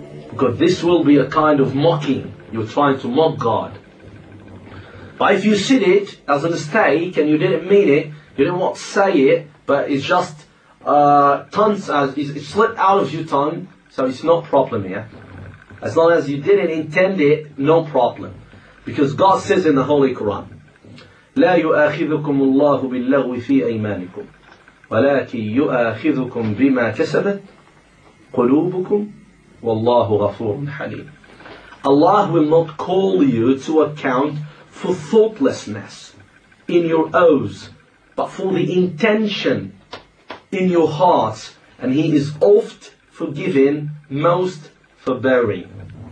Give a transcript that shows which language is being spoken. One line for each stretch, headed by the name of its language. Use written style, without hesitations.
English: Because this will be a kind of mocking. You're trying to mock God. But if you said it as a mistake and you didn't mean it, you didn't want to say it, but it's just it slipped out of your tongue, so it's no problem here. As long as you didn't intend it, no problem. Because God says in the Holy Quran,
Arabic: لا يؤاخذكم الله باللغو في أيمانكم ولكن يؤاخذكم بما كسبت قلوبكم والله غفور حليم.
English: Allah will not call you to account for thoughtlessness in your oaths, but for the intention in your hearts, and He is oft forgiving, most forbearing.